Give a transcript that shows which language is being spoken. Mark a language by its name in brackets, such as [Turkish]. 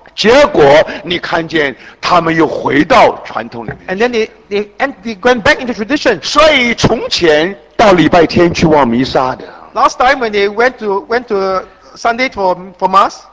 [Chinese] 结果你看见他们又回到传统里面。 [English] And then they went back into tradition. [Chinese] 所以从前到礼拜天去望弥撒的。 [English] Last time when they went to Sunday for mass.